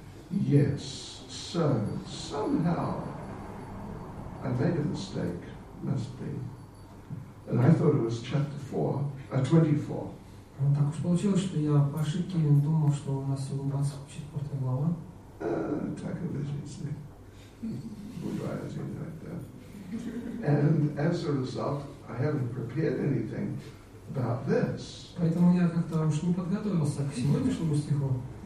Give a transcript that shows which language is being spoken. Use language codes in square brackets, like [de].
[en] Yes, so somehow I made a mistake, must be. And I thought it was chapter 24. [ru] Так уж получилось, что я по ошибке думал, что у нас всего 24 глава. Так и в жизни. Бывает иногда. [en] And as a result, I haven't prepared anything about this. [ru] Поэтому я как-то уж не подготовился к сегодняшнему стиху.